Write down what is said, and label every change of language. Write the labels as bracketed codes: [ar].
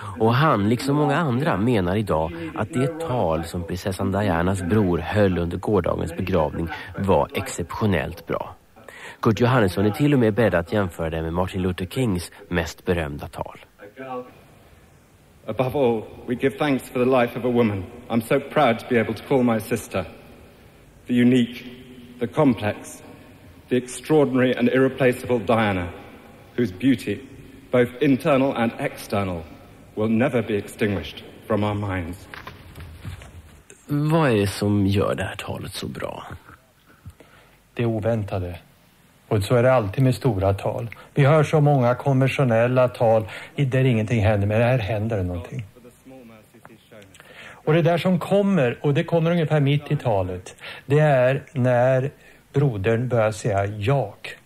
[sv] Och han, liksom många andra, menar idag att det tal som prinsessan Dianas bror höll under gårdagens begravning var exceptionellt bra. Kurt Johannesson är till och med beredd att jämföra det med Martin Luther Kings mest berömda tal. [en] Above all, we give thanks for the life of a woman. I'm so proud to be able to call my sister. The unique, the complex, the extraordinary and irreplaceable Diana, whose beauty, both internal and external, will never be extinguished from our minds. [sv] Vad är det som gör det här talet så bra? Det oväntade. Och så är det alltid med stora tal. Vi hör så många konventionella tal där ingenting händer, men här händer det någonting. Och det där som kommer, och det kommer ungefär mitt i talet, det är när brodern börjar säga jag.